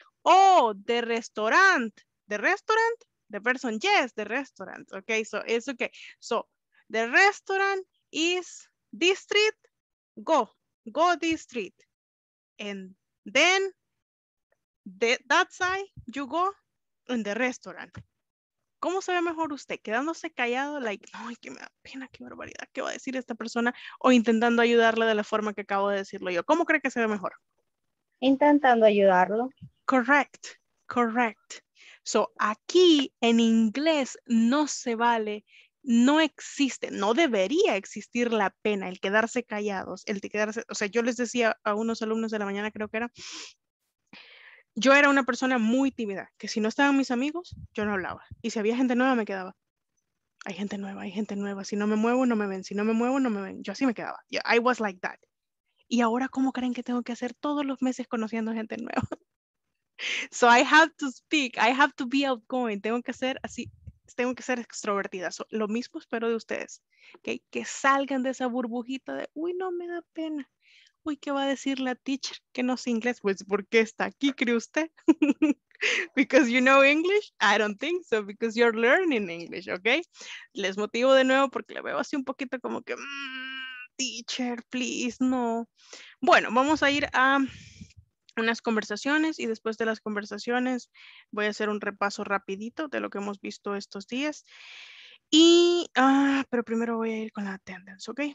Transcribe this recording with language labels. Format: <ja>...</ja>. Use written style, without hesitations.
<en>Oh, the restaurant. The restaurant? The person, yes, the restaurant. Okay, so it's okay. So the restaurant is this street. Go this street. And then that side, you go in the restaurant.</en> <es>¿Cómo se ve mejor usted? Quedándose callado, like, ay, que me da pena, qué barbaridad, ¿qué va a decir esta persona? O intentando ayudarle de la forma que acabo de decirlo yo. ¿Cómo cree que se ve mejor? Intentando ayudarlo. Correct, correct. So, aquí en inglés no se vale. No existe, no debería existir la pena el quedarse callados, el quedarse, o sea, yo les decía a unos alumnos de la mañana, creo que era, yo era una persona muy tímida, que si no estaban mis amigos, yo no hablaba, y si había gente nueva, me quedaba, hay gente nueva, si no me muevo, no me ven, yo así me quedaba,</es> <en>yeah, I was like that,</en> <es>y ahora cómo creen que tengo que hacer todos los meses conociendo gente nueva.</es> <en>So I have to speak, I have to be outgoing,</en> <es>tengo que ser así, tengo que ser extrovertida. So, lo mismo espero de ustedes, ¿okay? Que salgan de esa burbujita de, uy, no me da pena. Uy, ¿qué va a decir la teacher que no sé inglés? Pues, ¿por qué está aquí, cree usted?</es> <en>Because you know English? I don't think so, because you're learning English, ¿okay?</en> <es>Les motivo de nuevo porque le veo así un poquito como que, teacher, please, no. Bueno, vamos a ir a unas conversaciones y después de las conversaciones voy a hacer un repaso rapidito de lo que hemos visto estos días. Y, pero primero voy a ir con la attendance, ¿okay?</es>